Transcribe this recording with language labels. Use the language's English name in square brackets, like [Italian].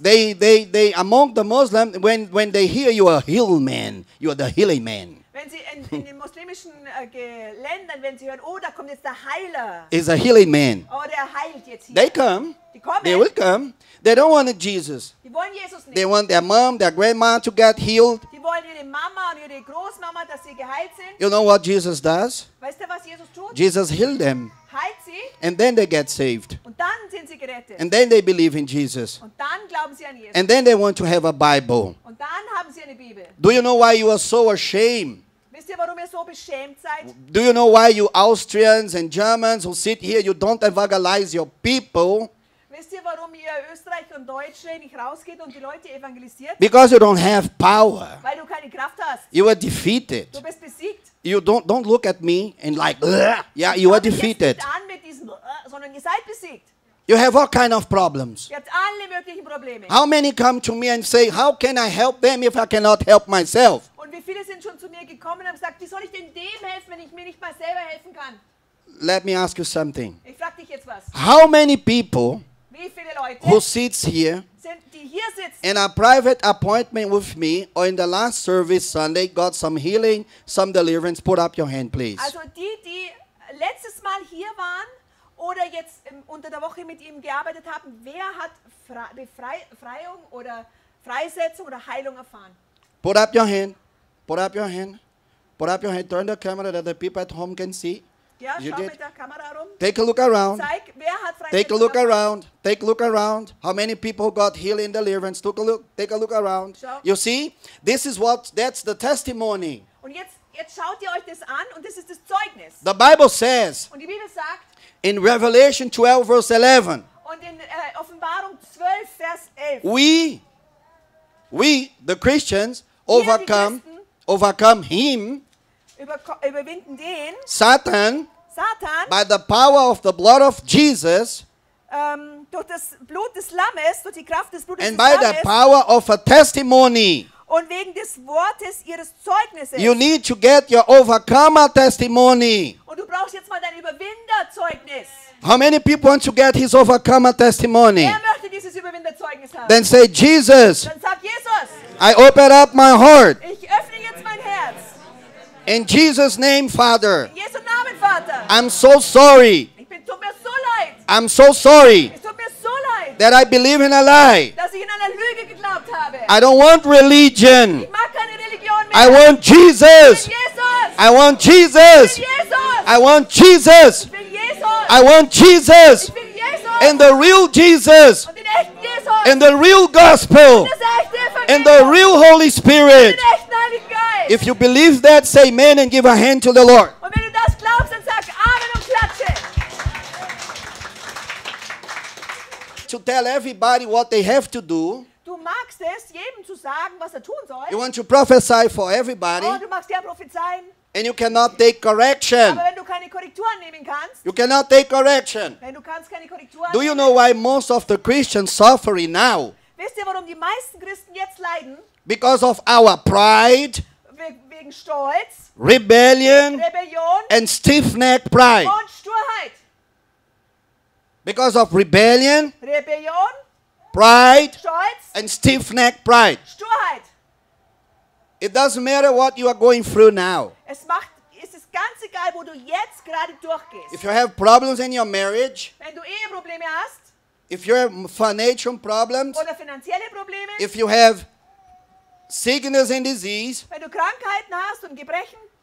[English] They among the Muslims, when they hear you are healed man, you are the healing man. [German] Wenn sie in den muslimischen Ländern, wenn sie hören, oh, da kommt jetzt der Heiler. [English] Is a healing man. [German] Oh, der heilt jetzt hier. [English] They come. [German] Die kommen. [English] They will come. They don't want a Jesus. [German] Die wollen Jesus nicht. [English] They want their mom, their grandma to get healed. [German] Die wollen ihre Mama und ihre Großmama, dass sie geheilt sind. [English] You know what Jesus does? [German] Weißt du, was Jesus tut? [English] Jesus healed them. [German] Heilt sie. [English] And then they get saved. [German] Und dann sind sie gerettet. [English] And then they believe in Jesus. [German] Und dann glauben sie an Jesus. [English] And then they want to have a Bible. [German] Und dann haben sie eine Bibel. [English] Do you know why you are so ashamed? [German] Wisst ihr, warum ihr so beschämt seid? [English] Do you know why you Austrians and Germans who sit here, you don't evangelize your people? [German] Wisst ihr, warum ihr Österreicher und Deutsche nicht rausgeht und die Leute evangelisiert? [English] Because you don't have power. [German] Weil du keine Kraft hast. [English] You are defeated. [German] Du bist besiegt. [English] You don't look at me and like, ugh. Yeah, you are defeated. [German] Jetzt nicht an mit diesem, sondern ihr seid besiegt. [English] You have all kind of problems. [German] Ihr habt alle möglichen Probleme. [English] How many come to me and say, how can I help them if I cannot help myself? [German] Und wie viele sind schon zu mir gekommen und haben gesagt, wie soll ich denn dem helfen, wenn ich mir nicht mal selber helfen kann? [English] Let me ask you something. [German] Ich frag dich jetzt was. [English] How many people, [German] wie viele Leute, [English] who sits here, [German] sind, die hier sitzen, [English] in a private appointment with me or in the last service Sunday got some healing, some deliverance? Put up your hand, please. [German] Also die letztes Mal hier waren oder jetzt unter der Woche mit ihm gearbeitet haben, wer hat Befreiung oder Freisetzung oder Heilung erfahren? [English] Put up your hand. Put up your hand. Put up your hand. Turn the camera that the people at home can see. [German] Ja, you schau did. Mit der Kamera rum. [English] Take a look around. [German] Zeig, wer hat Freisetzung. [English] Take a look around. Take a look around. How many people got healed in deliverance? Take a look around. [German] Schau. [English] You see? This is what, that's the testimony. [German] Und jetzt schaut ihr euch das an und das ist das Zeugnis. [English] The Bible says. [German] Und die Bibel sagt. [English] In Revelation 12, verse 11. [German] Und in Offenbarung 12, Vers 11. [English] We, the Christians, overcome him. [German] Überwinden den [English] Satan by the power of the blood of Jesus [German] durch das Blut des Lammes, durch die Kraft des Blutes [English] and [German] des [English] by [German] Lammes, [English] the power of a testimony. [German] Und wegen des Wortes ihres Zeugnisses. [English] You need to get your overcomer testimony. [German] Und du brauchst jetzt mal dein Überwinderzeugnis. [English] How many people want to get his overcomer testimony? [German] Wer möchte dieses Überwinderzeugnis haben? [English] Then say Jesus. [German] Dann sag Jesus. [English] I open up my heart. [German] Ich öffne jetzt mein Herz. [English] In Jesus' name, Father. [German] In Jesu Namen, Vater. [English] I'm so sorry. [German] Ich bin, tut mir so leid. [English] I'm so sorry. [German] Es tut mir so leid. [English] That I believe in a lie. [German] Dass ich in einer Lüge geglaubt habe. [English] I don't want religion. [German] Ich mag keine Religion mehr. [English] I want Jesus. [German] Ich will Jesus. [English] I want Jesus. [German] Ich will Jesus. [English] I want Jesus. [German] Ich will Jesus. [English] I want Jesus. [German] Ich will Jesus. [English] And the real Jesus. [German] Und den echten Jesus. [English] And the real gospel. [German] Und das echte Evangelium. [English] And the real Holy Spirit. [German] Und den echten Heiligen Geist. [English] If you believe that, say amen and give a hand to the Lord. [German] Und wenn du das glaubst, dann sag Amen und klatsche. [English] To tell everybody what they have to do. [German] Du magst es, jedem zu sagen, was er tun soll. [English] You want to prophesy for everybody. [German] Oh, du magst ja prophezeien. [English] And you cannot take correction. [German] Aber wenn du keine Korrektur annehmen kannst, [English] you cannot take correction. [German] Wenn du kannst keine Korrektur annehmen. [English] Do you know why most of the Christians suffering now? [German] Wisst ihr, warum die meisten Christen jetzt leiden? [English] Because of our pride. [German] Wegen Stolz. [English] Rebellion. And stiff-necked pride. [German] Und Sturheit. [English] Because of rebellion. [German] Rebellion. [English] Pride. [German] Stolz. [English] And stiff-necked pride. [German] Sturheit. [English] It doesn't matter what you are going through now. [German] Es macht, es ist ganz egal, wo du jetzt gerade durchgehst. [English] If you have problems in your marriage. [German] Wenn du Eheprobleme hast. [English] If you have financial problems. [German] Oder finanzielle Probleme. [English] If you have sickness and disease. [German] Wenn du Krankheiten hast und Gebrechen.